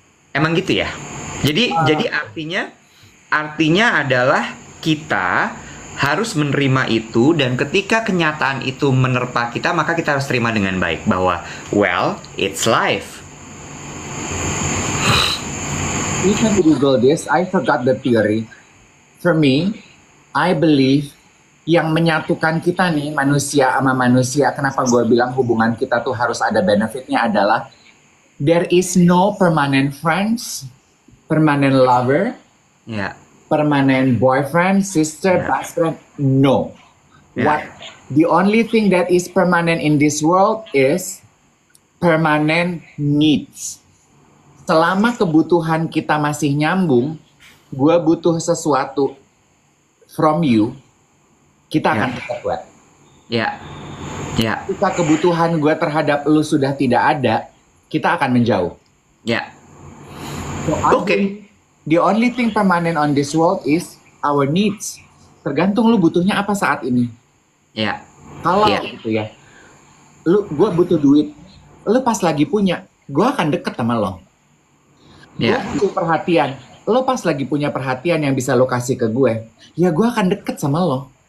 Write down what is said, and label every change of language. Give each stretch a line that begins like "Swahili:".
Indonesian: Emang gitu ya? Jadi artinya adalah kita harus menerima itu, dan ketika kenyataan itu menerpa kita, maka kita harus terima dengan baik bahwa,
English: well, it's life. You can Google this, I forgot the theory. For me, I believe
Indonesian: yang menyatukan kita nih, manusia sama manusia, kenapa gue bilang hubungan kita tuh harus ada benefitnya adalah,
English: there is no permanent friends, permanent lover, permanent boyfriend, sister, best friend, no. What the only thing that is permanent in this world is permanent needs.
Indonesian: Selama kebutuhan kita masih nyambung, gue butuh sesuatu
English: from you,
Indonesian: kita akan tetap kuat. Ketika kebutuhan gue terhadap lu sudah tidak ada, kita akan menjauh.
English: So, okay. The only thing permanent on this world is our needs.
Indonesian: Tergantung lu butuhnya apa saat ini. Kalau gitu ya, lu gue butuh duit, lu pas lagi punya, gue akan deket sama lo. Gue butuh perhatian, lo pas lagi punya perhatian yang bisa lo kasih ke gue, ya gue akan deket sama lo.